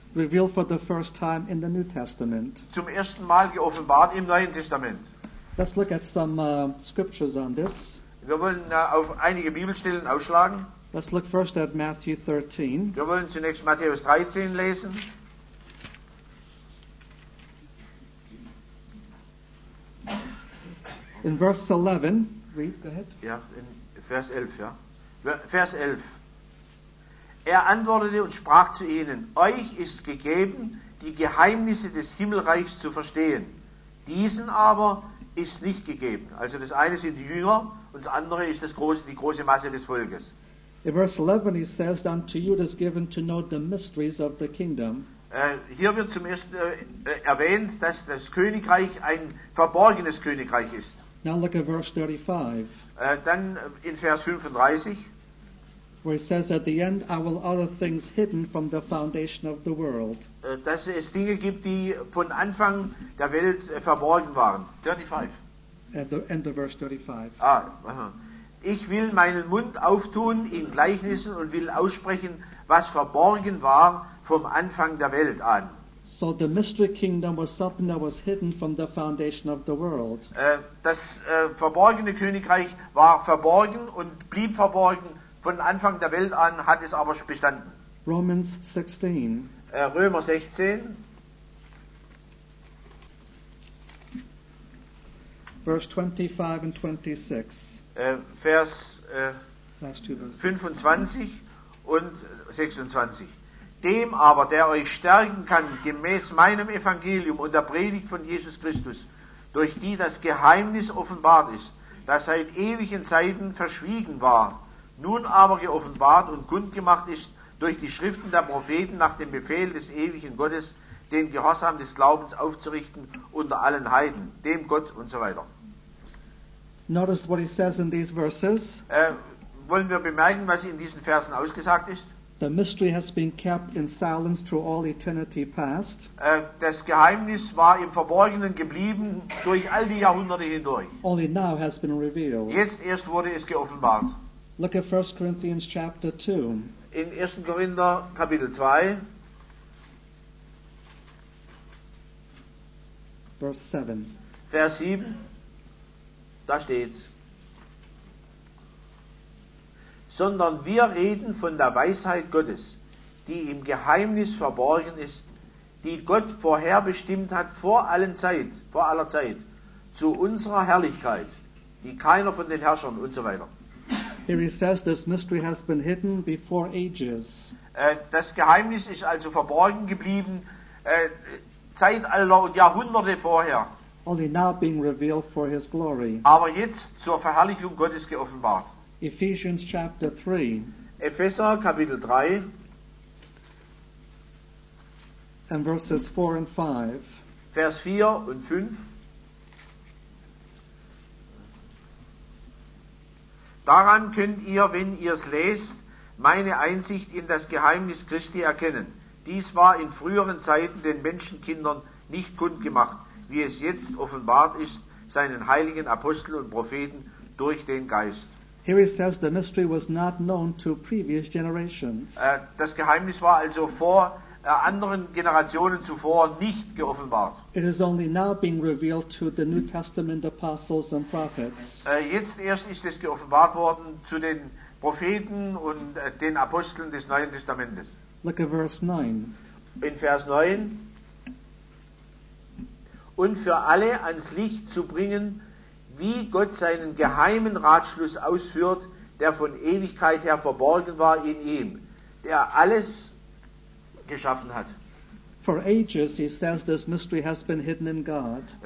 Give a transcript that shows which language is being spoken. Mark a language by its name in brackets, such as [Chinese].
[English] Revealed for the first time in the New Testament. [German] Zum ersten Mal geoffenbart im Neuen Testament. [English] Let's look at some scriptures on this. [German] Wir wollen auf einige Bibelstellen ausschlagen. [English] Let's look first at Matthew 13. [German] Wir wollen zunächst Matthäus 13 lesen. [English] In verse 11, read, go ahead. [German] Ja, in Vers 11, ja. Vers 11. Er antwortete und sprach zu ihnen, euch ist gegeben, die Geheimnisse des Himmelreichs zu verstehen. Diesen aber ist nicht gegeben. Also das eine sind die Jünger und das andere ist die große Masse des Volkes. [English] In verse 11 he says, unto you it is given to know the mysteries of the kingdom. [German] Hier wird zum ersten erwähnt, dass das Königreich ein verborgenes Königreich ist. [English] Now look at verse 35. [German] Dann in Vers 35. [English] Where he says, at the end I will utter things hidden from the foundation of the world. [German] Dass es Dinge gibt, die von Anfang der Welt verborgen waren. [English] 35. At the end of verse 35. [German] Ich will meinen Mund auftun in Gleichnissen und will aussprechen, was verborgen war vom Anfang der Welt an. [English] So the mystery kingdom was something that was hidden from the foundation of the world. [German] Das verborgene Königreich war verborgen und blieb verborgen von Anfang der Welt an, hat es aber schon bestanden. [English] Romans 16. [German] Römer 16. [English] Verse 25 and 26. [German] Vers 25 und 26. Dem aber, der euch stärken kann, gemäß meinem Evangelium und der Predigt von Jesus Christus, durch die das Geheimnis offenbart ist, das seit ewigen Zeiten verschwiegen war, nun aber geoffenbart und kundgemacht ist durch die Schriften der Propheten nach dem Befehl des ewigen Gottes, den Gehorsam des Glaubens aufzurichten unter allen Heiden, dem Gott und so weiter. [English] Notice what he says in these verses. [German] Wollen wir bemerken, was in diesen Versen ausgesagt ist? [English] The mystery has been kept in silence through all eternity past. [German] Das Geheimnis war im Verborgenen geblieben durch all die Jahrhunderte hindurch. [English] Only now has been revealed. [German] Jetzt erst wurde es geoffenbart. [English] Look at 1 Corinthians chapter 2. [German] In 1. Korinther Kapitel 2. [English] Verse 7. [German] Vers 7. Da steht's. Sondern wir reden von der Weisheit Gottes, die im Geheimnis verborgen ist, die Gott vorherbestimmt hat vor aller Zeit, zu unserer Herrlichkeit, die keiner von den Herrschern und so weiter. [English] Here he says, this mystery has been hidden before ages. [German] Das Geheimnis ist also verborgen geblieben, Zeitalter und Jahrhunderte vorher. [English] Only now being revealed for his glory. [German] Aber jetzt zur Verherrlichung Gottes geoffenbart. [English] Ephesians chapter 3. [German] Epheser Kapitel 3. [English] And verses 4 and 5. [German] Vers 4 und 5. Daran könnt ihr, wenn ihr es lest, meine Einsicht in das Geheimnis Christi erkennen. Dies war in früheren Zeiten den Menschenkindern nicht kundgemacht, wie es jetzt offenbart ist, seinen heiligen Aposteln und Propheten durch den Geist. [English] Here he says the mystery was not known to previous generations. [German] Das Geheimnis war also vor anderen Generationen zuvor nicht geoffenbart. [English] It is only now being revealed to the New Testament apostles and prophets. [German] Jetzt erst ist es geoffenbart worden zu den Propheten und den Aposteln des Neuen Testamentes. [English] Look at verse 9. [German] In Vers 9. Und für alle ans Licht zu bringen, wie Gott seinen geheimen Ratschluss ausführt, der von Ewigkeit her verborgen war in ihm, der alles geschaffen hat. [English] For ages, he says, this mystery has been hidden in God.